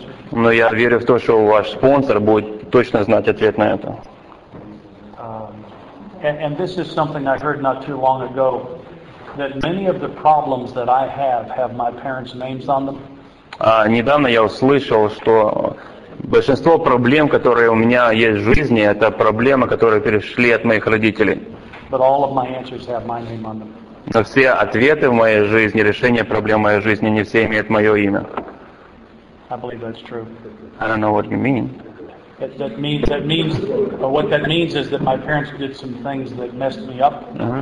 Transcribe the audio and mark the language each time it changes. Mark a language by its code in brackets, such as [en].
[ru] Но я верю в то, что ваш спонсор будет точно знать ответ на это. [en] And this is something I heard not too long ago. That many of the problems that I have my parents' names on them. [ru] Недавно я услышал, что большинство проблем, которые у меня есть в жизни, это проблемы, которые перешли от моих родителей. [en] But all of my answers have my name on them. [ru] Но все ответы в моей жизни, решения проблем в моей жизни, не все имеют мое имя. [en] I believe that's true. I don't know what you mean. What that means is that my parents did some things that messed me up.